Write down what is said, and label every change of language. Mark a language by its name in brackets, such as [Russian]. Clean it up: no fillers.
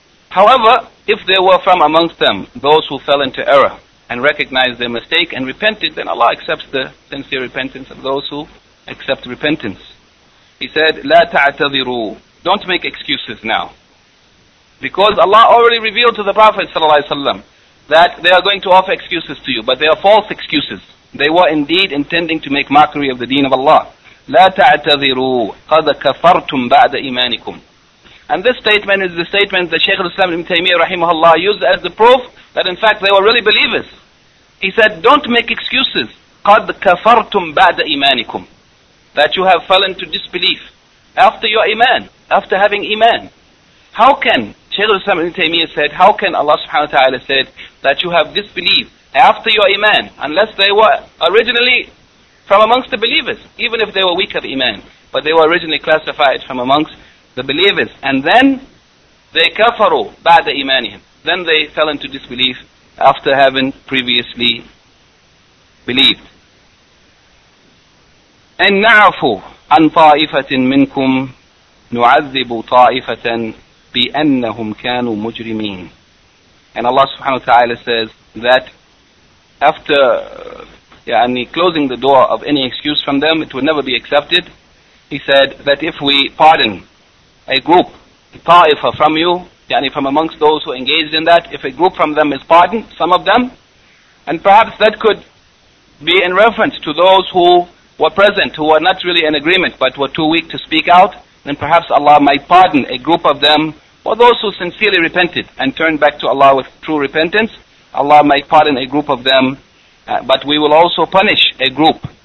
[English] However, if there were from amongst them those who fell into error and recognized their mistake and repented, then Allah accepts the sincere repentance of those who accept repentance. He said, [Arabic] لا تعتذروا. [English] Don't make excuses now. Because Allah already revealed to the Prophet ﷺ that they are going to offer excuses to you, but they are false excuses. They were indeed intending to make mockery of the deen of Allah. [Arabic] لا تعتذروا قد كفرتم بعد إيمانكم. [English] And this statement is the statement that Shaykh al-Islam Ibn Taymiyyah rahimahullah used as the proof that in fact they were really believers. He said, don't make excuses. [Arabic] قَدْ كَفَرْتُمْ بَعْدَ إِمَانِكُمْ. [English] That you have fallen to disbelief after your iman, after having iman. How can, Shaykh al-Islam Ibn Taymiyyah said, how can Allah subhanahu wa ta'ala said that you have disbelieved after your iman, unless they were originally from amongst the believers, even if they were weak of iman, but they were originally classified from amongst the believers, and then they [Arabic] kafaru ba'da imanihim. [English] Then they fell into disbelief after having previously believed. [Arabic] إن نعفو عن طائفة منكم نعذب طائفة بأنهم كانوا مجرمين. [English] And Allah subhanahu wa ta'ala says that after closing the door of any excuse from them, it would never be accepted. He said that if we pardon a group, ta'ifa, from you, yani from amongst those who engaged in that, if a group from them is pardoned, some of them, and perhaps that could be in reference to those who were present, who were not really in agreement, but were too weak to speak out, then perhaps Allah might pardon a group of them, or those who sincerely repented and turned back to Allah with true repentance, Allah might pardon a group of them, but we will also punish a group